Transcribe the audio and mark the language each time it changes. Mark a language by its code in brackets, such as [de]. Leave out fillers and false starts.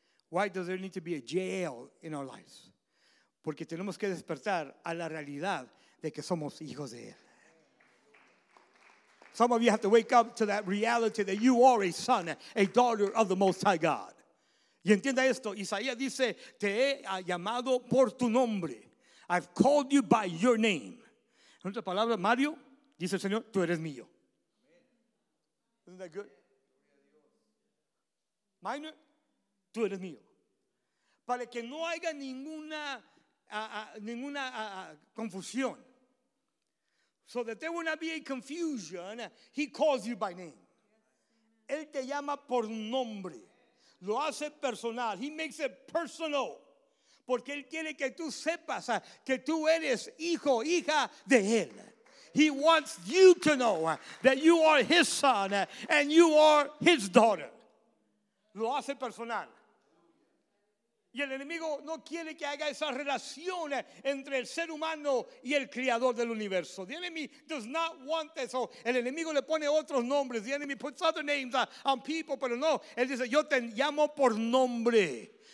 [en] Why does there need to be a Jael in our lives? [es] Porque tenemos que despertar a la realidad de que somos hijos de Él. [en] Some of you have to wake up to that reality that you are a son, a daughter of the Most High God. [es] Y entienda esto, Isaías dice, te he llamado por tu nombre. [en] I've called you by your name. [es] En otras palabras, Mario, dice el Señor, tú eres mío. [en] Isn't that good? [es] Minor, tú eres mío. Para que no haya ninguna confusión. [en] So that there will not be a confusion, he calls you by name. [es] Él te llama por nombre. Lo hace personal. [en] He makes it personal. [es] Porque Él quiere que tú sepas que tú eres hijo, hija de Él. [en] He wants you to know that you are His son and you are His daughter. [es] Lo hace personal. Y el enemigo no quiere que haga esa relación entre el ser humano y el creador del universo. [en] The enemy does not want that. So [es] el enemigo le pone otros nombres. [en] The enemy puts other names on people, [es] pero no. Él dice, yo te llamo por nombre.